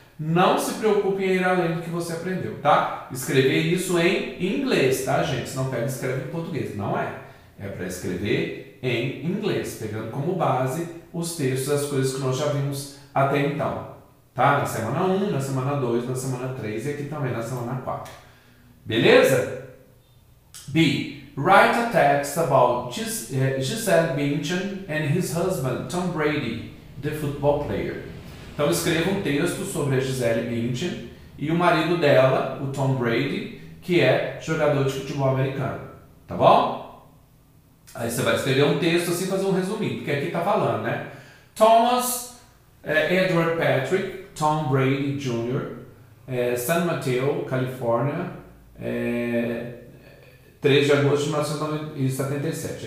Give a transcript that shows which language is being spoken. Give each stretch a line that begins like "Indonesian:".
Portuguese: Não se preocupe em ir além do que você aprendeu, tá? Escrever isso em inglês, tá, gente? Senão pega e escreve em português. Não é. É para escrever em inglês, pegando como base os textos, as coisas que nós já vimos até então, tá? Na semana 1, na semana 2, na semana 3 e aqui também na semana 4. Beleza? B.
English: Write a text about Gisele Bündchen and his husband, Tom Brady, the football player.
Portuguese: Então escreva um texto sobre a Gisele Bündchen e o marido dela, o Tom Brady, que é jogador de futebol americano. Tá bom? Aí você vai escrever um texto assim, fazer um resuminho, porque aqui tá falando, né? Thomas Edward Patrick, Tom Brady Jr., San Mateo, Califórnia, 3 de agosto de 1977.